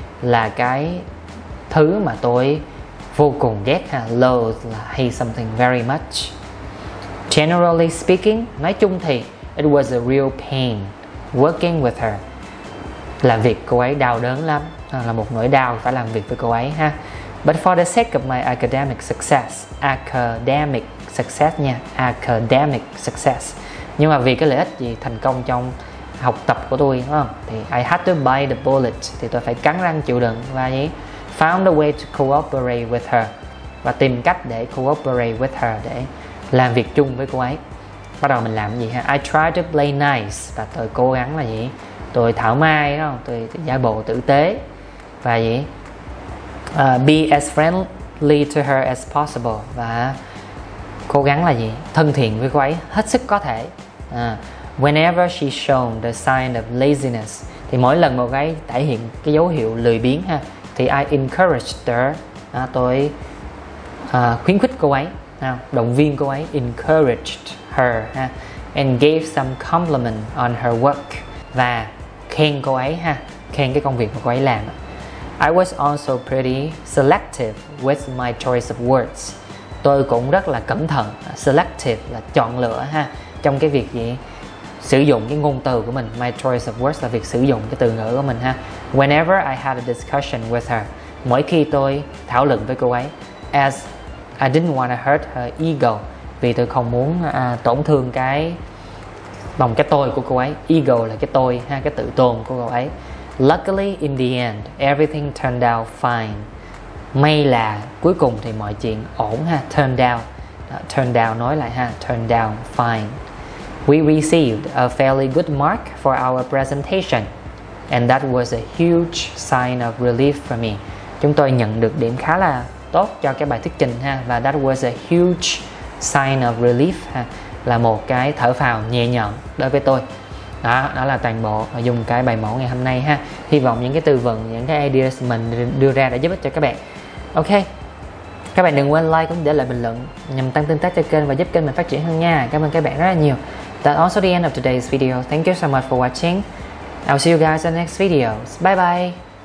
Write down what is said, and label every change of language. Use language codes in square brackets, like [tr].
[vi] Là cái thứ mà tôi vô cùng ghét ha. [en] Loathe là hate something very much. Generally speaking, [vi] nói chung thì [en] it was a real pain working with her. [vi] Làm việc cô ấy đau đớn lắm, là một nỗi đau phải làm việc với cô ấy ha. [en] But for the sake of my academic success, academic success nha, academic success. [vi] Nhưng mà vì cái lợi ích gì thành công trong học tập của tôi đúng không? Thì [en] I had to bite the bullet, [vi] thì tôi phải cắn răng chịu đựng và gì? [en] Found a way to cooperate with her, [vi] và tìm cách để [en] cooperate with her, [vi] để làm việc chung với cô ấy. Bắt đầu mình làm cái gì ha? [en] I try to play nice, [vi] và tôi cố gắng là gì? Tôi thảo mai đúng không? Tôi giả bộ tử tế và gì? [en] Be as friendly to her as possible, [vi] và cố gắng là gì? Thân thiện với cô ấy hết sức có thể. [en] Whenever she shown the sign of laziness, [vi] thì mỗi lần một cái thể hiện cái dấu hiệu lười biếng ha, thì [en] I encouraged her, [vi] tôi khuyến khích cô ấy, động viên cô ấy, [en] encouraged her [vi] ha, [en] and gave some compliment on her work, [vi] và khen cô ấy ha, khen cái công việc mà cô ấy làm. [en] I was also pretty selective with my choice of words. [vi] Tôi cũng rất là cẩn thận, selective là chọn lựa ha, trong cái việc gì sử dụng cái ngôn từ của mình. [en] My choice of words [vi] là việc sử dụng cái từ ngữ của mình ha. [en] Whenever I had a discussion with her, [vi] mỗi khi tôi thảo luận với cô ấy, [en] as I didn't want to hurt her ego, [vi] vì tôi không muốn tổn thương cái lòng cái tôi của cô ấy. Ego là cái tôi ha, cái tự tôn của cô ấy. [en] Luckily in the end everything turned out fine. [vi] May là cuối cùng thì mọi chuyện ổn ha. [en] Turned out, turned out nói lại ha, turned out fine. We received a fairly good mark for our presentation, and that was a huge sign of relief for me. [vi] Chúng tôi nhận được điểm khá là tốt cho cái bài thuyết trình ha, và [en] that was a huge sign of relief [vi] ha, là một cái thở phào nhẹ nhõm đối với tôi. Đó, đó là toàn bộ dùng cái bài mẫu ngày hôm nay ha. Hy vọng những cái tư vấn, những cái ideas mình đưa ra đã giúp ích cho các bạn. Ok. Các bạn đừng quên like cũng để lại bình luận nhằm tăng tương tác cho kênh và giúp kênh mình phát triển hơn nha. Cảm ơn các bạn rất là nhiều. [en] That's also the end of today's video. Thank you so much for watching. I'll see you guys in the next videos. Bye bye.